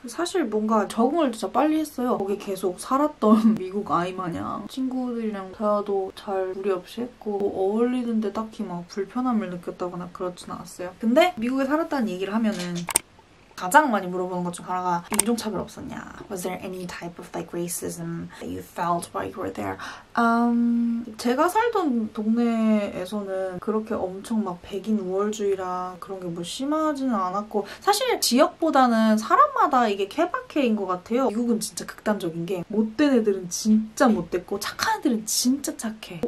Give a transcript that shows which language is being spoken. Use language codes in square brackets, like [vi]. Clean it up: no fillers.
[ko] 사실 뭔가 적응을 진짜 빨리 했어요. 거기 계속 살았던 미국 아이 마냥 친구들이랑 대화도 잘 무리 없이 했고 뭐 어울리는데 딱히 막 불편함을 느꼈다거나 그렇진 않았어요. 근데 미국에 살았다는 얘기를 하면 가장 많이 물어보는 것 중 하나가 인종차별 없었냐? [en] Was there any type of like racism that you felt while you were there? [ko] 제가 살던 동네에서는 그렇게 엄청 막 백인 우월주의라 그런 게 뭐 심하지는 않았고 사실 지역보다는 사람마다 이게 케바케인 것 같아요. 미국은 진짜 극단적인 게 못된 애들은 진짜 못됐고 착한 애들은 진짜 착해.